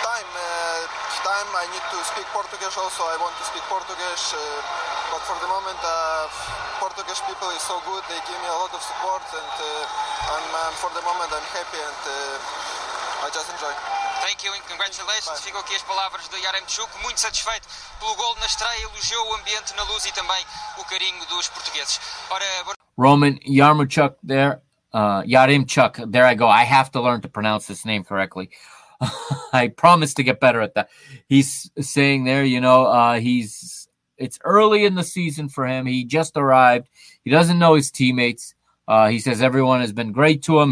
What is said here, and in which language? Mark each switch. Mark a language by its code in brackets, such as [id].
[en] Time. I need to speak Portuguese also. I want to speak Portuguese. But for the moment, Portuguese people is so good. They give me a lot of support. And for the moment, I'm happy. And I just enjoy. Thank you and congratulations. Bye. [pt] Ficam aqui as palavras do Yarmolenko, muito satisfeito pelo gol na estreia. Elogiou o ambiente na Luz e também o carinho dos portugueses. [en] Roman Yarmolenko there. Yarmolenko, there I go. I have to learn to pronounce this name correctly. I promise to get better at that. He's saying there, you know, it's early in the season for him. He just arrived. He doesn't know his teammates. He says everyone has been great to him.